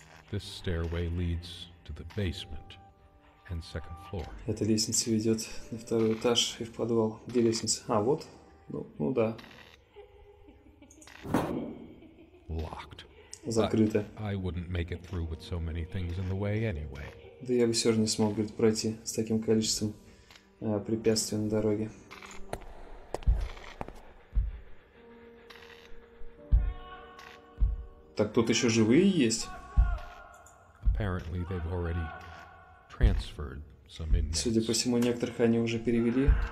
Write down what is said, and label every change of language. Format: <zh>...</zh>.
<en>This stairway leads to the basement and second floor.</en> <ru>Эта лестница ведет на второй этаж и в подвал. Где лестница? А, вот. Ну да.</ru> <en>Locked.</en> <ru>Закрыто.</ru> <en>I wouldn't make it through with so many things in the way anyway.</en> <ru>Да я бы все равно не смог, говорит, пройти с таким количеством препятствий на дороге. Так, тут еще живые есть. Судя по всему, некоторых они уже перевели.</ru>